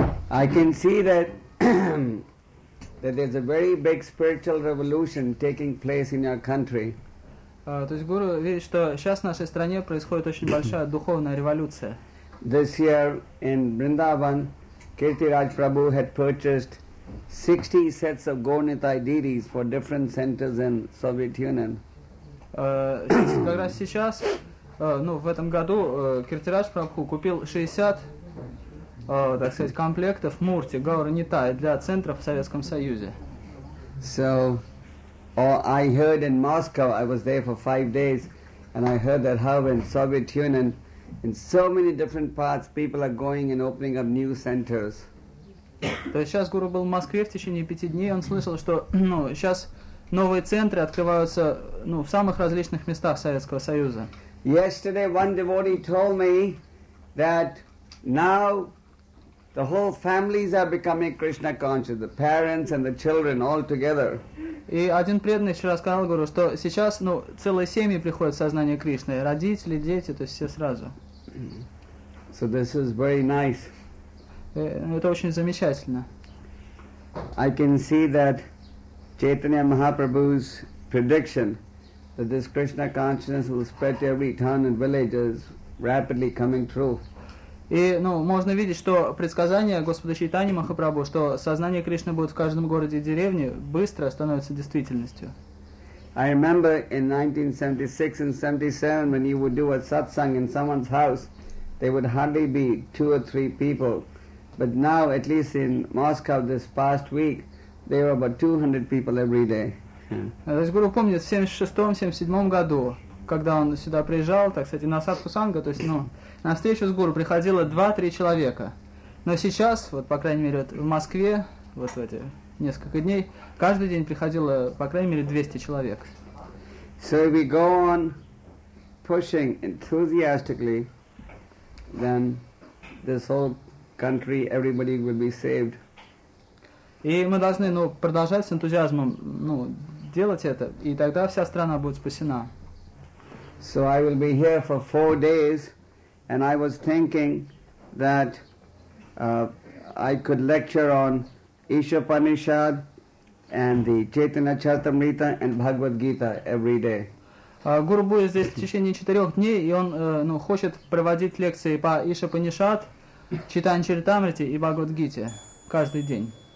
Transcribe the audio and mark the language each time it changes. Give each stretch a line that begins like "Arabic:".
English: I can see that that there's a very big spiritual revolution taking place in your country.
Russian: То есть Гуру видит, что сейчас в нашей стране происходит очень большая духовная революция.
English: This year in Vrindavan, Kirtiraj Prabhu had purchased 60 sets of Gornitai deities for different centers in Soviet Union.
Russian: Как раз сейчас, ну, в этом году Kirtiraj Prabhu купил 60, так сказать, комплектов мурти, Gornitai, для центров в Советском Союзе.
English: So... Or I heard in Moscow, I was there for 5 days, and I heard that how in Soviet Union, in so many different parts, people are going and opening up new centers.
Russian: То есть сейчас Гуру был в Москве в течение 5 дней, он слышал, что, ну, сейчас новые центры открываются, ну, в самых различных местах Советского Союза.
English: Yesterday, one devotee told me that now the whole families are becoming Krishna conscious, the parents and the children all together.
Russian: И один преданный вчера сказал Гуру, что сейчас, ну, целые семьи приходят в сознание Кришны, родители, дети, то есть все сразу.
English: So this is very nice.
Russian: Это очень замечательно.
English: I can see that Chaitanya Mahaprabhu's prediction that this Krishna consciousness will spread to every town and village is rapidly coming true.
Russian: И, ну, можно видеть, что предсказание Господа Чайтаньи Махапрабху, что сознание Кришны будет в каждом городе и деревне, быстро становится действительностью.
English: I remember in 1976 and 77, when you would do a satsang in someone's house, there would hardly be 2 or 3 people. But now, at least in Moscow this past week, there were about 200 people every day.
Russian: То есть Гуру помнит, в 76-77 году, когда он сюда приезжал, так сказать, на садху-санга, то есть, ну, на встречу с Гуру приходило 2-3 человека. Но сейчас, вот, по крайней мере, вот в Москве, вот в эти несколько дней, каждый день приходило, по крайней мере, 200 человек.
English: So if we go on pushing enthusiastically, then this whole country, everybody will be saved.
Russian: И мы должны, ну, продолжать с энтузиазмом, ну, сделать это, и тогда вся страна будет спасена.
English: So I will be here for 4 days, and I was thinking that I could lecture on Ishopanishad and the Chaitanya Charitamrita and Bhagavad Gita every day.
Russian: Гуру будет здесь в течение 4 дней, и он хочет проводить лекции по Ишопанишад, Чайтанья Чаритамрите и Бхагавад Гите каждый день.